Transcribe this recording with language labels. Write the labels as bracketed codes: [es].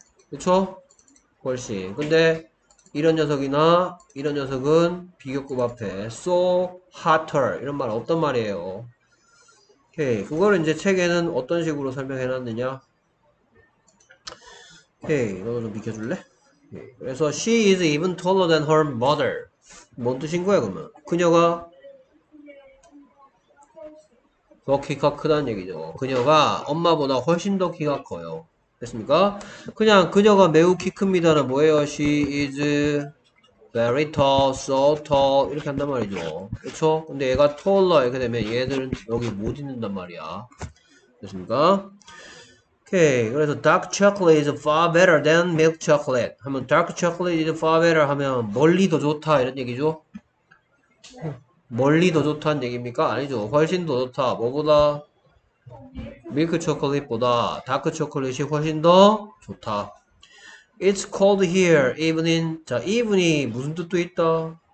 [ko] 그쵸? 훨씬. 근데 이런 녀석이나 이런 녀석은 비교급 앞에 [en] so hotter [ko] 이런 말 없단 말이에요. 오케이. 그거를 이제 책에는 어떤 식으로 설명해 놨느냐? 오케이. 너좀 비켜줄래? 오케이. 그래서 [en] she is even taller than her mother. [ko] 뭔 뜻인 거야, 그러면? 그녀가 더 키가 크다는 얘기죠. 그녀가 엄마보다 훨씬 더 키가 커요. 됐습니까? 그냥 그녀가 매우 키 큽니다는 뭐예요? [en] She is very tall, so tall [ko] 이렇게 한단 말이죠. 그렇죠? 근데 얘가 taller 이렇게 되면 얘들은 여기 못 있는단 말이야. 됐습니까? 오케이. 그래서 [en] dark chocolate is far better than milk chocolate. [ko] 하면 [en] dark chocolate is far better [ko] 하면 멀리 더 좋다 이런 얘기죠? 멀리 더 좋다는 얘기입니까? 아니죠. 훨씬 더 좋다. 뭐보다? 밀크 초콜릿보다 다크 초콜릿이 훨씬 더 좋다. [en] It's cold here, even in. [ko] 자, even이 무슨 뜻도 있다.